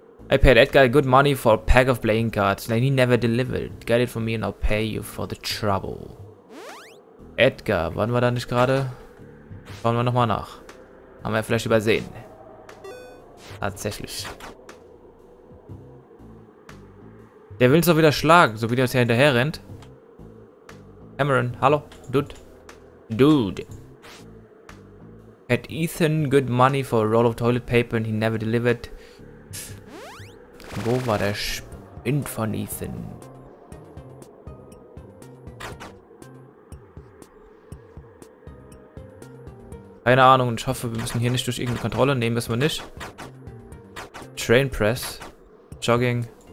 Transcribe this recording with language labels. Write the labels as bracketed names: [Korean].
[English] I paid Edgar good money for a pack of playing cards, and he never delivered. Get it from me and I'll pay you for the trouble. [German] Edgar, waren wir da nicht gerade? Schauen wir nochmal nach. Haben wir vielleicht übersehen. Tatsächlich. Der will uns doch wieder schlagen, so wie der uns hier hinterher rennt. Cameron, hallo? Dude. Dude. [English] Had Ethan good money for a roll of toilet paper and he never delivered. [German] Wo war der Spind von Ethan? Keine Ahnung, ich hoffe, wir müssen hier nicht durch irgendeine Kontrolle. Nehmen müssen wir nicht. [English] Train Press. Jogging.